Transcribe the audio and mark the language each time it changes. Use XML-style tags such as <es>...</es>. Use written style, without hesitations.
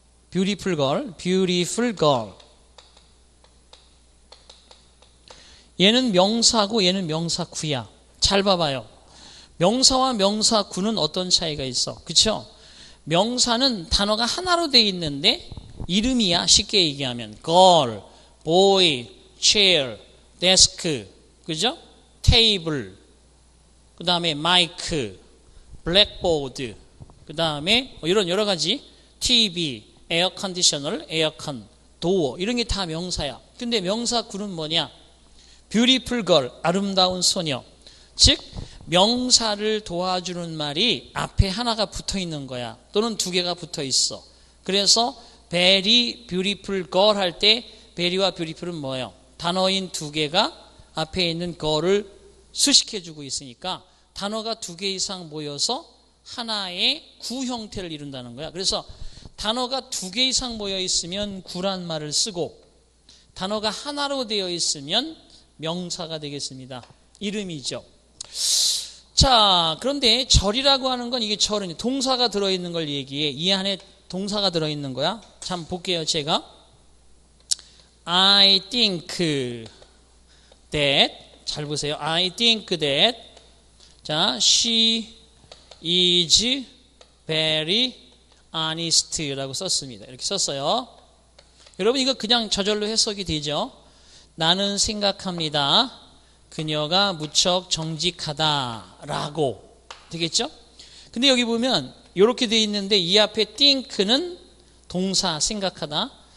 <en>beautiful girl. beautiful girl.</en> <ko>얘는 명사고 얘는 명사구야. 잘 봐봐요. 명사와 명사구는 어떤 차이가 있어? 그쵸? 명사는 단어가 하나로 돼 있는데 이름이야. 쉽게 얘기하면 girl, boy, chair, desk, 그죠? table, 그 다음에 mic, blackboard, 그 다음에 이런 여러 가지 TV, 에어컨디셔널, 에어컨, 도어 이런 게 다 명사야. 근데 명사구는 뭐냐? beautiful girl, 아름다운 소녀. 즉, 명사를 도와주는 말이 앞에 하나가 붙어 있는 거야. 또는 두 개가 붙어 있어. 그래서</ko> <en>very beautiful girl</en> <ko>할 때 very와 beautiful은 뭐예요? 단어인 두 개가 앞에 있는 girl을 수식해주고 있으니까 단어가 두 개 이상 모여서 하나의 구 형태를 이룬다는 거야. 그래서 단어가 두 개 이상 모여 있으면 구란 말을 쓰고 단어가 하나로 되어 있으면 명사가 되겠습니다. 이름이죠. 자, 그런데 절이라고 하는 건 이게 절은 동사가 들어있는 걸 얘기해. 이 안에 동사가 들어있는 거야. 참 볼게요, 제가.</ko> <en>I think that,</en> <ko>잘 보세요.</ko> <en>I think that,</en> <ko>자,</ko> <en>she is very honest</en> <ko>라고 썼습니다. 이렇게 썼어요. 여러분, 이거 그냥 저절로 해석이 되죠? 나는 생각합니다. 그녀가 무척 정직하다. 라고. 되겠죠? 근데 여기 보면, 이렇게 돼 있는데, 이 앞에 think는 동사, 생각하다.</ko>